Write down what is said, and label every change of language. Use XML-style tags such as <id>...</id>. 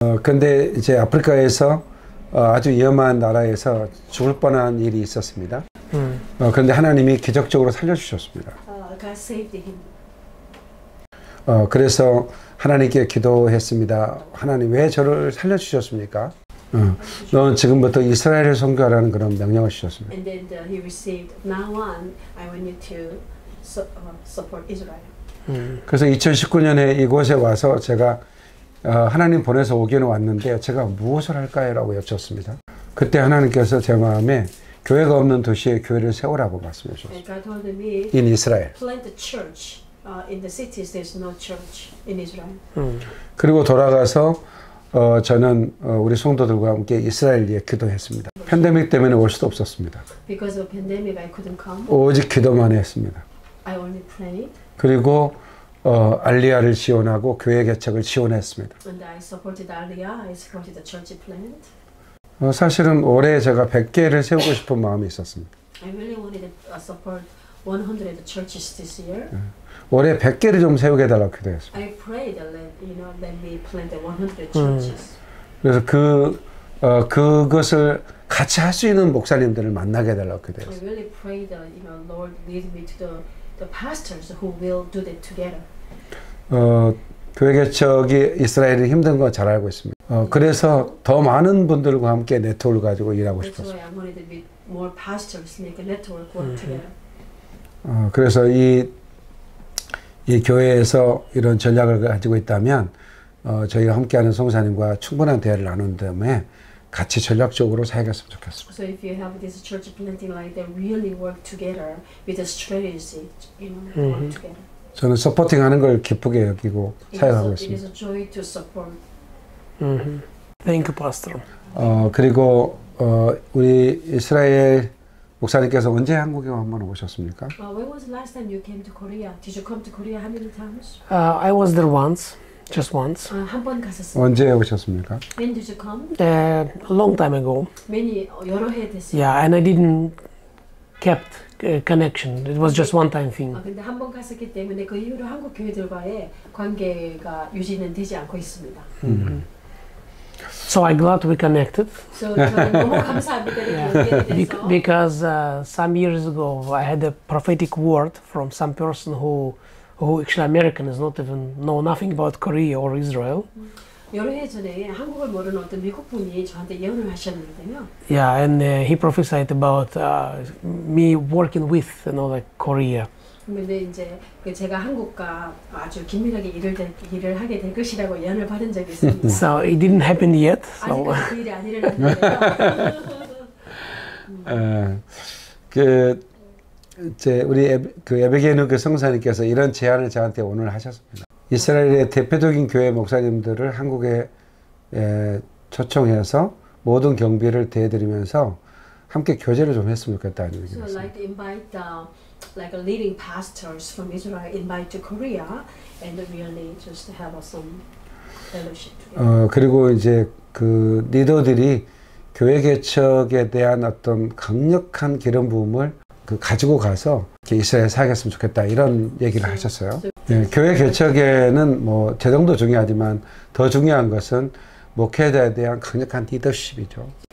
<ko>그런데 이제 아프리카에서 아주 위험한 나라에서 죽을 뻔한 일이 있었습니다. 그런데 하나님이 기적적으로 살려주셨습니다.</ko> <en>God saved him.</en> <ko>그래서 하나님께 기도했습니다. 하나님 왜 저를 살려주셨습니까? 너는 지금부터 이스라엘을 선교하라는 그런 명령을 주셨습니다.</ko> <en>And then he received, now on, I want you to support Israel.</en> <ko>그래서 2019년에 이곳에 와서 제가 하나님 보내서 오기는 왔는데 제가 무엇을 할까요? 라고 여쭙습니다. 그때 하나님께서 제 마음에 교회가 없는 도시에 교회를 세우라고 말씀해 주셨습니다.</ko> <en>In Israel. Plant a church. In the cities, there's no church in Israel.</en> <ko>그리고 돌아가서 저는 우리 성도들과 함께 이스라엘에 기도했습니다. 팬데믹 때문에 올 수도 없었습니다.</ko> <en>Because of pandemic, I couldn't come.</en> <ko>오직 기도만 했습니다.</ko> <en>I only prayed.</en> <ko>그리고 알리아를 지원하고 교회 개척을 지원했습니다.</ko> <en>And I supported Aliyah. I supported the church plant.</en> <ko>사실은 올해 제가 100개를 세우고 싶은 마음이 있었습니다.</ko> <en>I really wanted to support 100 churches this year.</en> <ko>올해 100개를 좀 세우게 해달라고 기도했습니다.</ko> <en>I prayed that you know let me plant 100 churches.</en> <ko>그래서 그것을 같이 할 수 있는 목사님들을 만나게 해달라고 기도했습니다.</ko> <en>I really pray that you know Lord lead me to the pastors who will do that together.</en> <ko>교회 개척이 이스라엘이 힘든 거 잘 알고 있습니다. 그래서 더 많은 분들과 함께 네트워크 가지고 일하고 싶었어요.</ko> <en>That's why I wanted to meet more pastors, make a network work together.</en> <ko>그래서 이 교회에서 이런 전략을 가지고 있다면 저희가 함께하는 성사님과 충분한 대화를 나눈 다음에 같이 전략적으로 사역했으면 좋겠습니다.</ko> <en>So if you have this church planting like that, really work together with a strategy, you know, work together.</en> <ko>저는 서포팅 하는 걸 기쁘게 여기고 사역하고 있습니다.</ko> <en>It is a joy to support. Thank you, Pastor.</en> <ko>그리고 우리 이스라엘 목사님께서 언제 한국에 한번 오셨습니까?</ko> <en>When was the last time you came to Korea? Did you come to Korea how many times? I was there once. Just once.</en> <ko>한 번 갔었어요. 언제 오셨습니까?</ko> <en>When did you come? A long time ago. Many</en> <ko>여러 해 됐어요.</ko> <en>Yeah, and I didn't kept connection. It was just one time thing.</en> <ko>근데 한 번 갔었기 때문에 그 이후로 한국 교회들과의 관계가 유지는 되지 않고 있습니다.</ko> <en>So I'm glad we connected.</en> <ko>So 너무 감사합니다.</ko> <en>Yeah. Because some years ago I had a prophetic word from some person who actually American is not even know nothing about Korea or Israel.</en> <ko>여러 해 전에 한국을 모르는 어떤 미국 분이 저한테 예언을 하셨는데요.</ko> <en>Yeah, and he prophesied about me working with and all that Korea.</en> <ko>근데 이제 그 제가 한국과 아주 긴밀하게 일을 하게 될 것이라고 예언을 받은 적이 있습니다.</ko> <en>So it didn't happen yet. So.</en> <ko>아직 그 일이 안 일어났는데요. 이제 우리 그 에베게누교 성사님께서 이런 제안을 저한테 오늘 하셨습니다. 이스라엘의 대표적인 교회 목사님들을 한국에 초청해서 모든 경비를 대드리면서 함께 교제를 좀 했으면 좋겠다는 얘기입니다.</ko> <en>So like invite like leading pastors from Israel invite to Korea and really just have some fellowship.</en> <ko>그리고 이제 그 리더들이 교회 개척에 대한 어떤 강력한 기름 부음을 그 가지고 가서 이스라엘에 사역했으면 좋겠다 이런 얘기를 하셨어요. 네, 교회 개척에는 뭐 재정도 중요하지만 더 중요한 것은 목회자에 대한 강력한 리더십이죠.</ko>